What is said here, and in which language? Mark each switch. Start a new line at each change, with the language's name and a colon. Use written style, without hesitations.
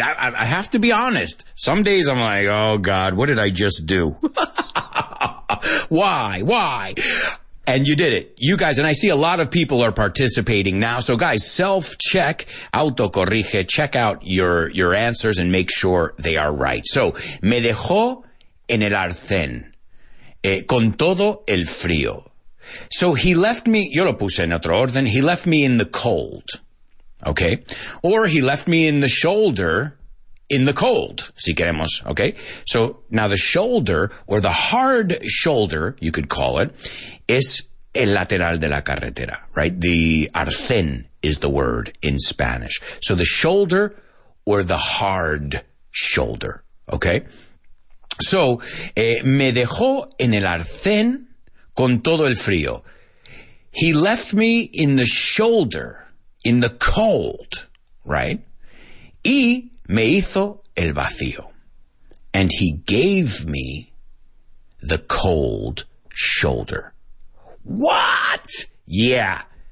English: I have to be honest. Some days I'm like, oh God, what did I just do? Why? And you did it. You guys, and I see a lot of people are participating now. So guys, self-check,
Spanish: autocorrige,
English: check out your answers and make sure they are right.
Spanish: So, me dejó en el arcén, con todo el frío.
English: So he left me,
Spanish: yo lo puse en otro orden,
English: he left me in the cold, okay? Or he left me in the shoulder, in the cold,
Spanish: si queremos,
English: okay? So now the shoulder, or the hard shoulder, you could call it, is
Spanish: el lateral de la carretera,
English: right? The arcén is the word in Spanish. So the shoulder or the hard shoulder, okay?
Spanish: So, me dejó en el arcén con todo el frío.
English: He left me in the shoulder, in the cold, right?
Spanish: Y me hizo el vacío.
English: And he gave me the cold shoulder. What? Yeah.